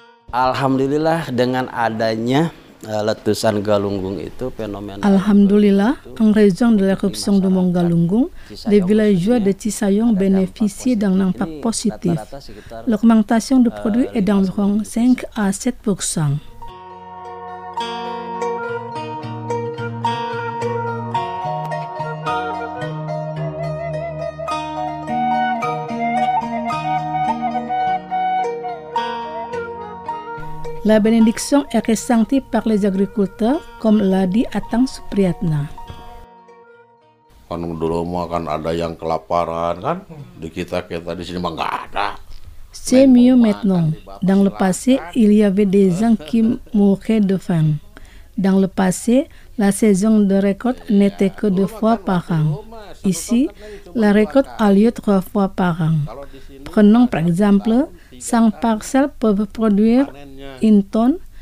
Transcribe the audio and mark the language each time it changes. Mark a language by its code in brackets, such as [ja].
[id] Alhamdulillah, dengan adanya letusan Galunggung itu fenomena. [fr] Alhamdulillah, en raison de l'éruption du Mont Galunggung, les villageois de Cisayong bénéficient d'un impact positif. L'augmentation du produit est d'environ 5 à 7%. La bénédiction est ressentie par les agriculteurs, comme l'a dit Atang Supriyatna. [id] Kan dulu mah kan ada yang kelaparan kan di kita kita di sini mah nggak ada. [fr] C'est mieux maintenant. Dans le passé, il y avait des gens qui mouraient de faim. Dans le passé, la saison de récolte n'était que deux fois par an. Ici, la récolte a lieu trois fois par an. Prenons par exemple, 100 parcelles peuvent produire une tonne.